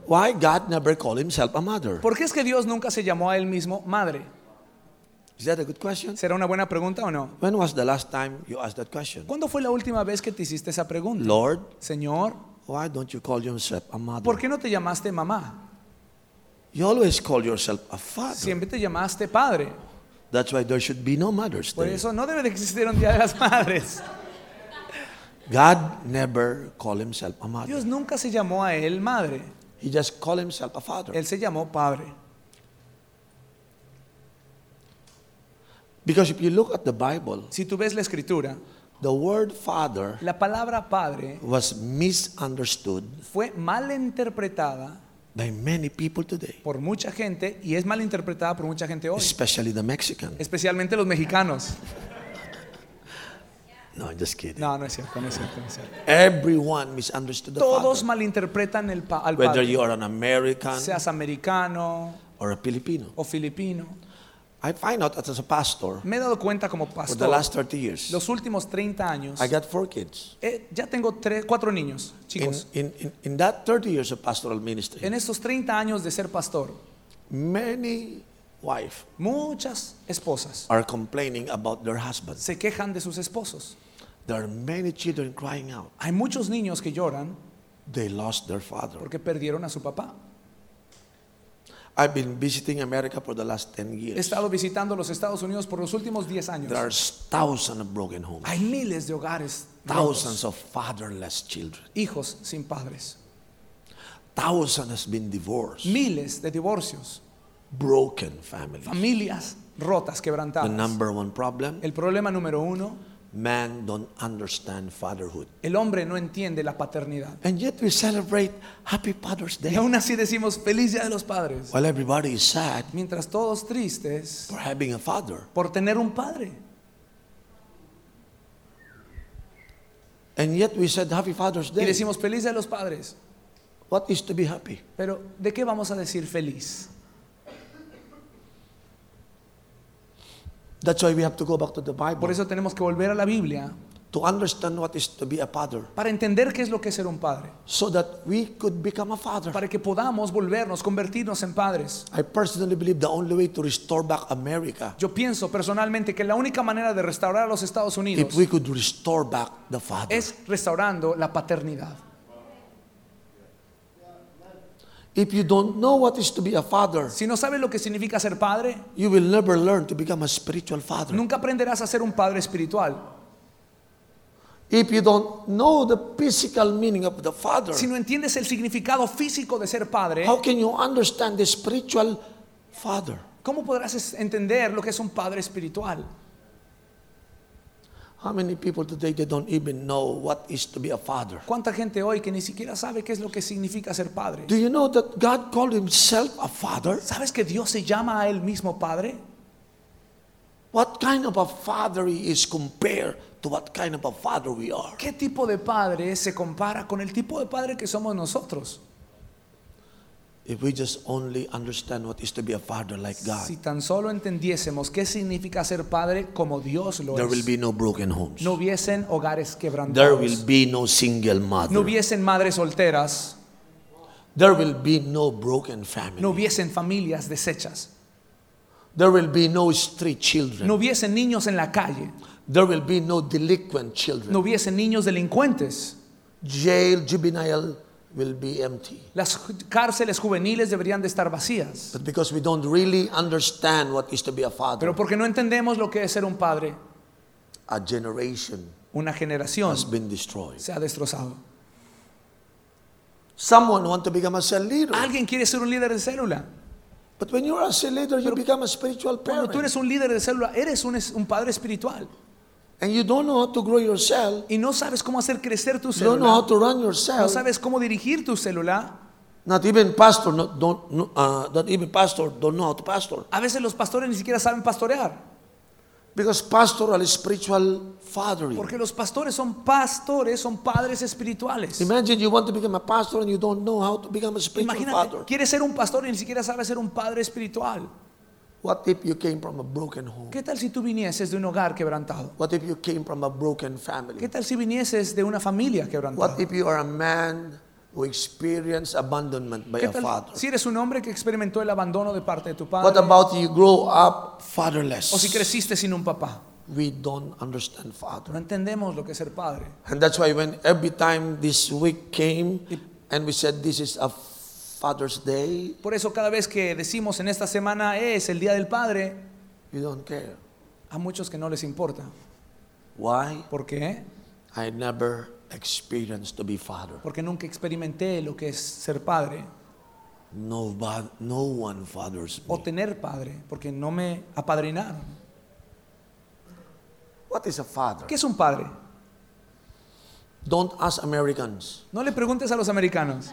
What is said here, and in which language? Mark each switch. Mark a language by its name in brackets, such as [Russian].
[English] Why God never called himself a mother? [Spanish] ¿Por qué es que Dios nunca se llamó a él mismo madre? [English] Is that a good question? [Spanish] ¿Será una buena pregunta o no? [English] When was the last time you asked that question? [Spanish] ¿Cuándo fue la última vez que te hiciste esa pregunta? [English] Lord, [Spanish] Señor, [English] why don't you call yourself a mother? [Spanish] ¿Por qué no te llamaste mamá? [English] You always call yourself a father. [Spanish] Siempre te llamaste padre. [English] That's why there should be no Mother's Day. [Spanish] Por eso no debe de existir un Día de las Madres. [English] God never called himself a mother. [Spanish] Dios nunca se llamó a él madre. [English] He just called himself a father. [Spanish] Él se llamó padre. [English] Because if you look at the Bible, [Spanish] si tú ves la escritura, [English] the word father, [Spanish] la palabra padre, [English] was misunderstood, [Spanish] fue malinterpretada, [English] by many people today. [Spanish] Por mucha gente, y es mal interpretada por mucha gente hoy. [English] Especially the Mexicans. [Spanish] Especialmente los mexicanos. [English] No, I'm just kidding. [Spanish] No, no es cierto, no es cierto, no es cierto. [English] Everyone misunderstood the [Spanish] Todos [English] father. [Spanish] Malinterpretan el al [English] Whether [Spanish] padre. [English] You are an American, [Spanish] seas americano, [English] or a Filipino, [Spanish] o filipino. [English] I find out that as a pastor, [Spanish] me he dado cuenta como pastor, [English] for the last 30 years, [Spanish] los últimos 30 años, [English] I got 4 kids. [Spanish] Ya tengo 4 niños, chicos. [English] In that 30 years of pastoral ministry, [Spanish] en esos 30 años de ser pastor, [English] many wife, [Spanish] muchas esposas, [English] are complaining about their husbands. [Spanish] Se quejan de sus esposos. [English] There are many children crying out. [Spanish] Hay muchos niños que lloran. [English] They lost their father. [Spanish] Porque perdieron a su papá. [English] I've been visiting America for the last 10 years. [Spanish] He estado visitando los Estados Unidos por los últimos 10 años. [English] There are thousands of broken homes. [Spanish] Hay miles de hogares. [English] Thousands of fatherless children. [Spanish] Hijos sin padres. [English] Thousands have been divorced. [Spanish] Miles de divorcios. [English] Broken families. [Spanish] Familias rotas, quebrantadas. [English] The number one problem. [Spanish] El problema número uno. [English] Man don't understand fatherhood. [Spanish] El hombre no entiende la paternidad. [English] And yet we celebrate Happy Father's Day. [Spanish] Y aún así decimos Feliz Día de los Padres. [English] While everybody is sad. [Spanish] Mientras todos tristes. [English] For having a father. [Spanish] Por tener un padre. [English] And yet we said Happy Father's Day. [Spanish] Y decimos Feliz Día de los Padres. [English] What is to be happy? [Spanish] Pero ¿de qué vamos a decir feliz? [English] That's why we have to go back to the Bible. [Spanish] Por eso tenemos que volver a la Biblia. [English] To understand what is to be a father. [Spanish] Para entender qué es lo que es ser un padre. [English] So that we could become a father. [Spanish] Para que podamos volvernos, convertirnos en padres. [English] I personally believe the only way to restore back America. [Spanish] Yo pienso personalmente que la única manera de restaurar a los Estados Unidos. [English] If we could restore back the father. [Spanish] Es restaurando la paternidad. [English] If you don't know what is to be a father, [Spanish] si no sabes lo que significa ser padre, [English] you will never learn to become a spiritual father. [Spanish] Nunca aprenderás a ser un padre espiritual. [English] If you don't know the physical meaning of the father, [Spanish] si no entiendes el significado físico de ser padre, [English] how can you understand the spiritual father? [Spanish] ¿Cómo podrás entender lo que es un padre espiritual? [English] How many people today they don't even know what is to be a father? [Spanish] ¿Cuánta gente hoy que ni siquiera sabe qué es lo que significa ser padre? [English] Do you know that God called himself a father? [Spanish] ¿Sabes que Dios se llama a él mismo padre? [English] What kind of a father he is compared to what kind of a father we are? [Spanish] ¿Qué tipo de padre se compara con el tipo de padre que somos nosotros? [English] If we just only understand what is to be a father like God, [Spanish] si tan solo entendiésemos qué significa ser padre como Dios lo es, [English] there will be no broken homes. [Spanish] No hubiesen hogares quebrantados. [English] There will be no single mother. [Spanish] No hubiesen madres solteras. [English] There will be no broken family. [Spanish] No hubiesen familias deshechas. [English] There will be no street children. [Spanish] No hubiesen niños en la calle. [English] There will be no delinquent children. [Spanish] No hubiesen niños delincuentes. [English] Jail, juvenile. Will be empty. [Spanish] Las cárceles juveniles deberían de estar vacías. [English] But because we don't really understand what is to be a father. [Spanish] Pero porque no entendemos lo que es ser un padre. [English] A generation. [Spanish] Una generación. [English] Has been destroyed. [Spanish] Se ha destrozado. [English] Someone want to become a cell leader. [Spanish] Alguien quiere ser un líder de célula. [English] But when you are a cell leader, you become a spiritual parent. [Spanish] Cuando tú eres un líder de célula, eres un padre espiritual. [English] And you don't know how to grow your cell. [Spanish] Y no sabes cómo hacer crecer tu célula. [English] You don't know how to run your cell. [Spanish] No sabes cómo dirigir tu célula. [English] Not even pastor, don't know how to pastor. [Spanish] A veces los pastores ni siquiera saben pastorear. [English] Because pastoral is spiritual fathering. [Spanish] Porque los pastores, son padres espirituales. [English] Imagine you want to become a pastor and you don't know how to become a spiritual [Spanish] Imagínate, [English] father. [Spanish] Imagínate, quieres ser un pastor y ni siquiera sabes ser un padre espiritual. [English] What if you came from a broken home? [Spanish] ¿Qué tal si tú vinieses de un hogar quebrantado? [English] What if you came from a broken family? [Spanish] ¿Qué tal si vinieses de una familia quebrantada? [English] What if you are a man who experienced abandonment by [Spanish] ¿Qué tal [English] a father? [Spanish] Si eres un hombre que experimentó el abandono de parte de tu padre. [English] What about you grow up fatherless? [Spanish] ¿O si creciste sin un papá? [English] We don't understand father. [Spanish] No entendemos lo que es ser padre. [English] And that's why when every time this week came and we said this is a Father's Day. [Spanish] Por eso cada vez que decimos en esta semana es el Día del Padre, [English] you don't care. [Spanish] A muchos que no les importa. [English] Why? [Spanish] ¿Por qué? [English] I never experienced to be father. [Spanish] Porque nunca experimenté lo que es ser padre. [English] No one fathers me. [Spanish] O tener padre, porque no me apadrinaron. [English] What is a father? [Spanish] ¿Qué es un padre? [English] Don't ask Americans. [Spanish] No le preguntes a los americanos.